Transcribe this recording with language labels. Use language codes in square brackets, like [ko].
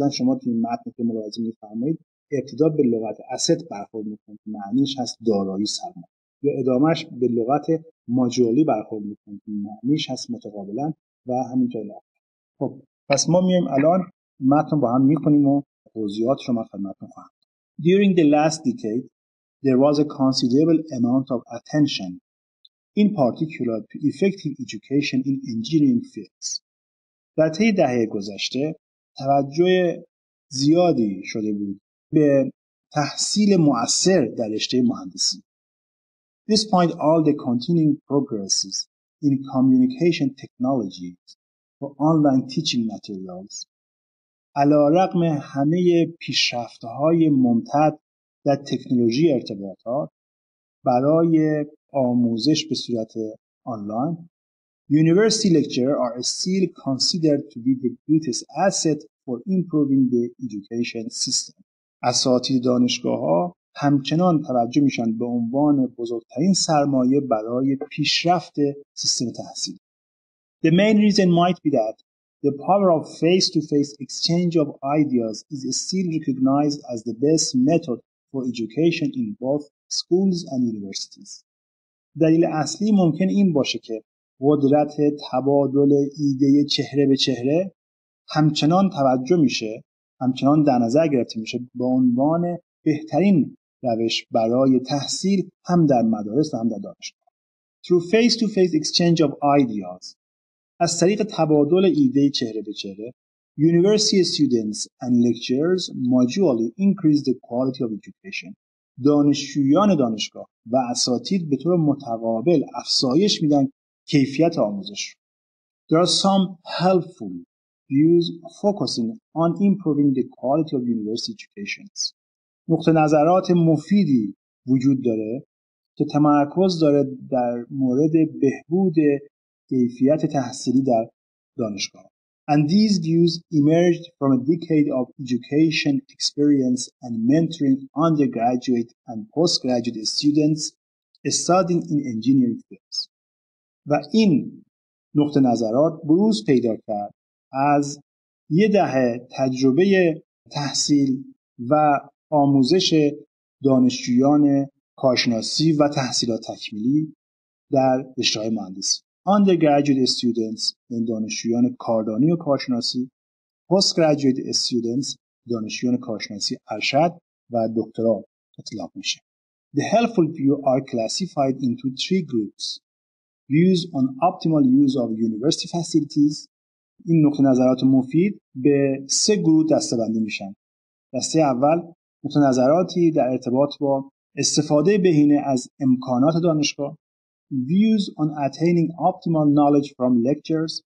[fa] مثلا شما توی این متن که ملاحظه می‌فرمایید ابتدا به لغت asset برخورد می‌کنید که معنیش هست دارایی سرمایه، یا ادامهش به لغت ماجولی برخورد می‌کنید که معنیش هست متقابلا و همینطور الی آخر. خب پس ما میایم الان متن با هم می‌خونیم و توضیحات شما خدمتتون خواهم. [en] During the last decade there was a considerable amount of attention in particular to effective education in engineering fields. [fa] در طی دهه گذشته توجه زیادی شده بود به تحصیل مؤثر در رشته مهندسی. [en] Despite all the continuing progresses in communication technologies for online teaching materials, [fa] علی‌رغم همه پیشرفت‌های ممتد در تکنولوژی ارتباطات برای آموزش به صورت آنلاین، [en] university lecturers are still considered to be the greatest asset for improving the education system. [fa] اساتید دانشگاه‌ها همچنان توجه میشن به عنوان بزرگترین سرمایه برای پیشرفت سیستم تحصیلی. [en] The main reason might be that the power of face-to-face exchange of ideas is still recognized as the best method for education in both schools and universities. [fa] دلیل اصلی ممکن این باشه که قدرت تبادل ایده چهره به چهره همچنان توجه میشه، همچنان در نظر گرفته میشه به عنوان بهترین روش برای تحصیل هم در مدارس و هم در دانشگاه. [en] Through face-to-face exchange of ideas، [fa] از طریق تبادل ایده چهره به چهره، [en] university students and lecturers mutually increase the quality of education. [fa] دانشجویان دانشگاه و اساتید به طور متقابل افزایش میدن کیفیت آموزش. [en] There are some helpful views focusing on improving the quality of university educations. [fa] نقطه نظرات مفیدی وجود داره که تمرکز داره در مورد بهبود کیفیت تحصیلی در دانشگاه. [en] And these views emerged from a decade of education experience and mentoring undergraduate and postgraduate students studying in engineering fields. [fa] و این نقطه نظرات بروز پیدا کرد از یه دهه تجربه تحصیل و آموزش دانشجویان کارشناسی و تحصیلات تکمیلی در رشته‌های مهندسی. [en] Undergraduate students، [fa] دانشجویان کاردانی و کارشناسی، [en] Postgraduate students، [fa] دانشجویان کارشناسی ارشد و دکترا اطلاق میشه. [en] The helpful view are classified into three groups. Views on optimal use of university facilities. [fa] این نقطه نظرات مفید به سه گروه دسته‌بندی میشن. دسته اول نقطه نظراتی در ارتباط با استفاده بهینه از امکانات دانشگاه. [en] Views on attaining optimal knowledge from lectures.